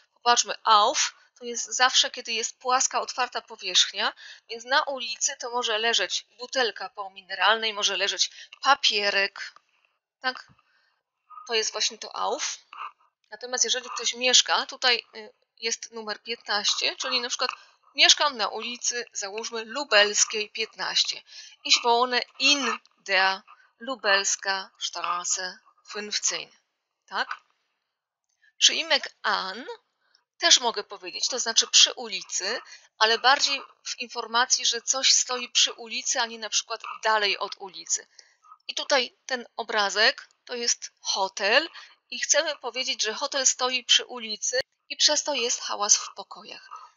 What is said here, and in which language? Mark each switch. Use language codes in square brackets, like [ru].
[pl] Popatrzmy, auf to jest zawsze, kiedy jest płaska, otwarta powierzchnia, więc na ulicy to może leżeć butelka po mineralnej, może leżeć papierek. Tak? To jest właśnie to auf. Natomiast jeżeli ktoś mieszka, tutaj jest numer 15, czyli na przykład mieszkam na ulicy, załóżmy, Lubelskiej 15. [de] Ich wohne in der Lubelska Straße 15. [pl] Tak? Przyimek an też mogę powiedzieć, to znaczy przy ulicy, ale bardziej w informacji, że coś stoi przy ulicy, a nie na przykład dalej od ulicy. I tutaj ten obrazek to jest hotel i chcemy powiedzieć, że hotel stoi przy ulicy i przez to jest hałas w pokojach.